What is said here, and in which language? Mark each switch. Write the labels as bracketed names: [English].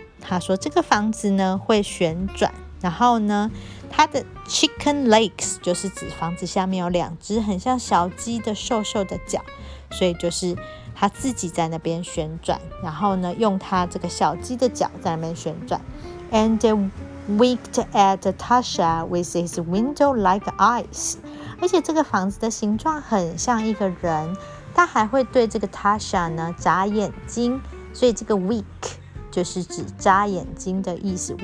[Chinese] 他说这个房子呢会旋转，然后呢，他的 chicken legs 就是指房子下面有两只很像小鸡的瘦瘦的脚，所以就是他自己在那边旋转，然后呢，用他这个小鸡的脚在那边旋转。 [English] And winked at Tasha with his window-like eyes. [Chinese] 而且这个房子的形状很像一个人，他还会对这个 Tasha 呢眨眼睛，所以这个 wink 就是指眨眼睛的意思。